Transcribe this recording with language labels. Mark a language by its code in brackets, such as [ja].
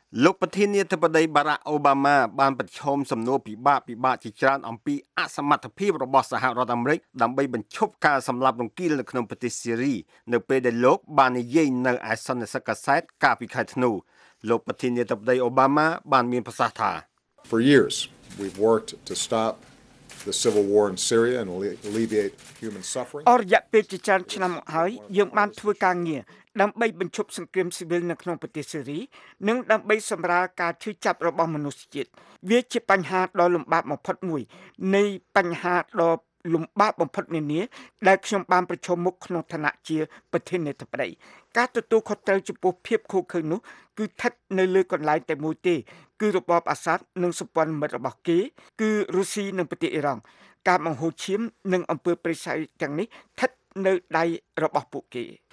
[km] លោកប្រធានាធិបតីបារ៉ាក់អូបាម៉ាបានប្រឈមសំណួរពិបាកជាច្រើនអំពីអសមត្ថភាពរបស់សហរដ្ឋអាមេរិកដើម្បីបញ្ឈប់ការសម្លាប់រង្គាលនៅក្នុងប្រទេសសេរីនៅពេលដែលលោកបាននិយាយនៅឯសន្និសីទកាសែតកាលពីខែធ្នូលោកប្រធានាធិបតីអូបាម៉ាបានមានប្រសាសន៍ថា [en] For years we've worked to stop the civil war in Syria and alleviate human suffering [km] អរយៈពេលជាច្រើនឆ្នាំមកហើយយើងបានធ្វើការងារដើម្បីបញ្ឈប់សង្គ្រាមស៊ីវិលនៅក្នុងប្រទេសសេរីនិងដើម្បីសម្រាលការឈឺចាប់របស់មនុស្សជាតិវាជាបញ្ហាដ៏លំបាកបំផុតមួយនៃបញ្ហាដ៏ លំបាកបំផុតនានាដែលខ្ញុំបានប្រឈមមុខក្នុងឋានៈជាប្រធានាធិបតីការទទួលខុសត្រូវចំពោះភាពខូចខើនោះគឺស្ថិតនៅលើកន្លែងតែមួយទេគឺរបបអាសាទនិងសម្ព័ន្ធមិត្តរបស់គេគឺរុស្ស៊ីនិងប្រទេសអ៊ីរ៉ង់ការបង្ហូរឈាមនិងអំពើប្រឆាំងទាំងនេះស្ថិតនៅដៃរបស់ពួកគេ